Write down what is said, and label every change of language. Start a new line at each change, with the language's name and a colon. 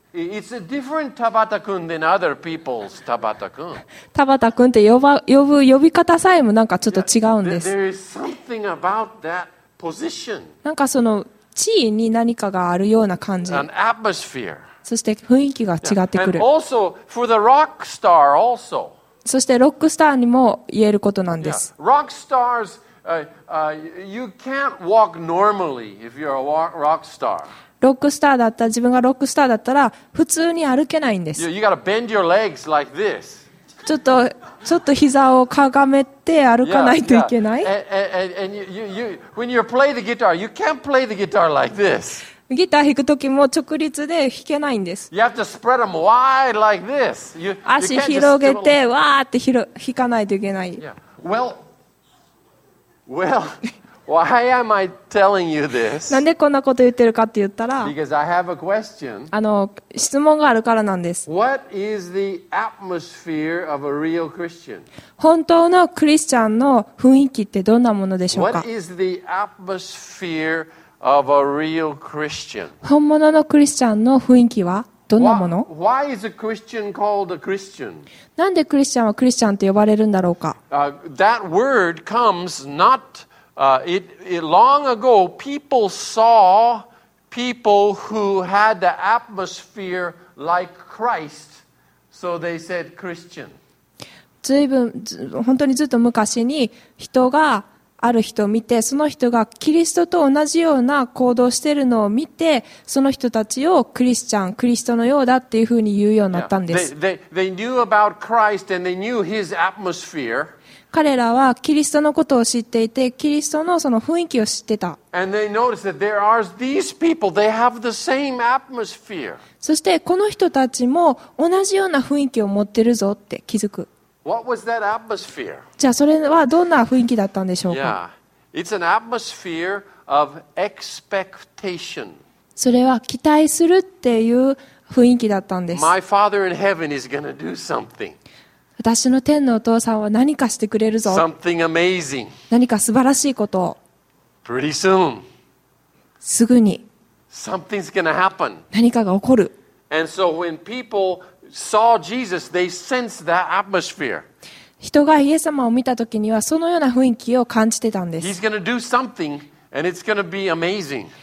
English: It's a different Tabata-kun than other people's Tabata-kun.
Japanese: Tabata-kun って呼び方さえもなんかちょっと違うんです。
English: There is something about that position.
Japanese: なんかその地位に何かがあるような感じ。
English: An atmosphere.
Japanese: そして雰囲気が違ってくる。
English: And also for the rock star also.
Japanese: そしてロックスターにも言えることなんです。
English: Rock stars, you can't walk normally if you're a rock star.
Japanese: ロックスターだったら、自分がロックスターだったら普通に歩けないんです。
English: You gotta bend your legs like this.
Japanese: ちょっと膝をかがめて歩かないといけない。
English: When you play the guitar, you can't play the guitar like this.
Japanese: ギター弾くときも直立で弾けないんです。
English: You have to spread them wide like this.
Japanese: You 足広げてわーって弾かないといけない。
English: Yeah. Well. Why am I telling you this?
Japanese: なんでこんなこと言ってるかって言ったら、
English: Because I have a question.
Japanese: あの、質問があるからなんです。
English: What is the atmosphere of a real Christian?
Japanese: 本当のクリスチャンの雰囲気ってどんなものでしょうか?
English: What is the atmosphere of a real Christian?
Japanese: 本物のクリスチャンの雰囲気はどんなもの?
English: Why is a Christian called a Christian?
Japanese: なんでクリスチャンはクリスチャンって呼ばれるんだろうか?
English: That word comes notIt long ago, people saw people who had the atmosphere like Christ, so they said Christian.
Japanese: 本当にずっと昔に人がある人を見て、その人がキリストと同じような行動をしているのを見て、その人たちをクリスチャン、クリストのようだっていうふうに言うようになったんです。
English: They knew about Christ and they knew his atmosphere.
Japanese: 彼らはキリストのことを知っていて、キリストのその雰囲気を知ってた。
English: And they noticed that there are these people, they have the same atmosphere.
Japanese: そしてこの人たちも同じような雰囲気を持ってるぞって気づく。
English: What was that atmosphere?
Japanese: じゃあそれはどんな雰囲気だったんでしょうか?
English: Yeah. It's an atmosphere of expectation.
Japanese: それは期待するっていう雰囲気だったんです。
English: My Father in heaven is going to do something.
Japanese: 私の天のお父さんは何かしてくれるぞ。
English: Something amazing.
Japanese: 何か素晴らしいことを。
English: Pretty soon.
Japanese: すぐに。
English: Something's gonna happen.
Japanese: 何かが起こる。
English: And so when people saw Jesus, they sensed that atmosphere.
Japanese: 人がイエス様を見たときにはそのような雰囲気を感じてたんです。
English: He's gonna do something, and it's gonna be amazing.